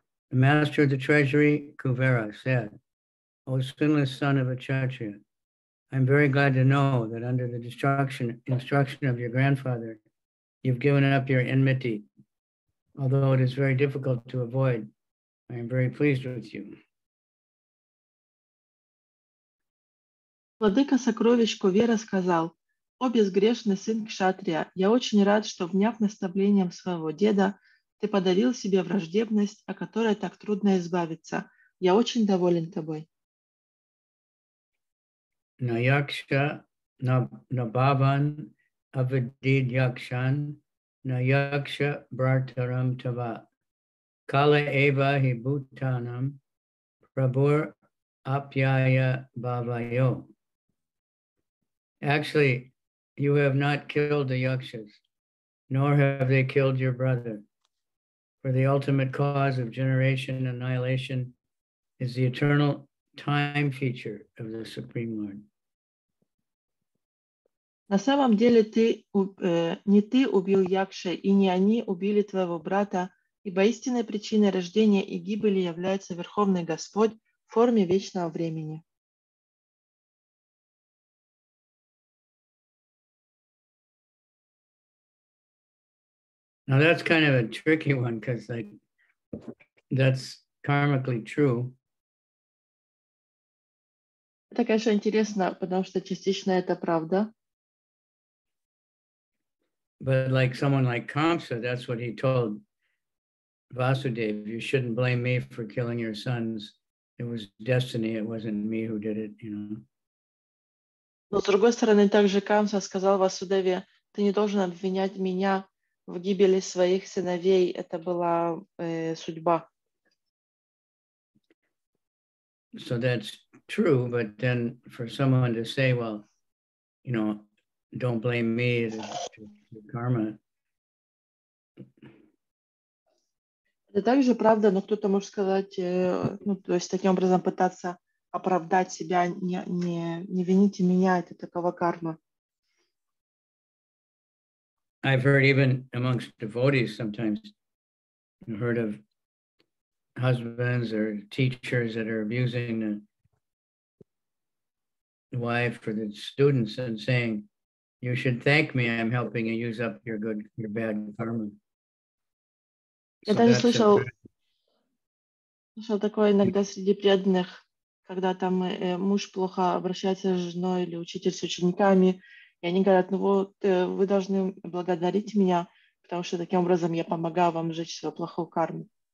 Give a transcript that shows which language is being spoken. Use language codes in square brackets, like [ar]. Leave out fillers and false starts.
[en] The master of the treasury, Kuvera, said, O sinless son of a chatrya, I am very glad to know that under the instruction of your grandfather, you've given up your enmity. Although it is very difficult to avoid, I am very pleased with you. [ru] Владыка сокровищ Кувера сказал, «О безгрешный сын Кшатрия, я очень рад, что, вняв наставлением своего деда, ты подарил себе враждебность, о которой так трудно избавиться. Я очень доволен тобой». [sa] Наякша Набаван Авадид Якшан Наякша Братарам Тава Кала Эва Хибутанам Прабур Апьяя Бавайо. [en] Actually, you have not killed the Yakshas, nor have they killed your brother. For the ultimate cause of generation annihilation is the eternal time feature of the Supreme Lord. [ru] На самом деле не ты убил Якша, и не они убили твоего брата, ибо истинной причиной рождения и гибели является Верховный Господь в форме вечного времени. [en] Now that's kind of a tricky one, because like that's karmically true. [ru] Это, конечно, интересно, потому что частично это правда. [en] But like someone like Kamsa, that's what he told Vasudeva, you shouldn't blame me for killing your sons. It was destiny, it wasn't me who did it, you know. [ru] Но с другой стороны, также Камса сказал Васудеве, ты не должен обвинять меня в гибели своих сыновей, это была судьба. [en] So that's true, but then for someone to say, well, you know, don't blame me, the karma. [ru] Это также правда, но кто-то может сказать, ну, то есть таким образом пытаться оправдать себя, не вините меня, это такова карма. [en] I've heard even amongst devotees sometimes, I've heard of husbands or teachers that are abusing the wife or the students and saying, you should thank me, I'm helping you use up your good, your bad karma. [ru] Я даже слышал такое иногда среди преданных, когда там муж плохо обращается с женой или учитель с учениками, и они говорят, ну вот, вы должны благодарить меня, потому что таким образом я помогаю вам сжечь свою плохую карму.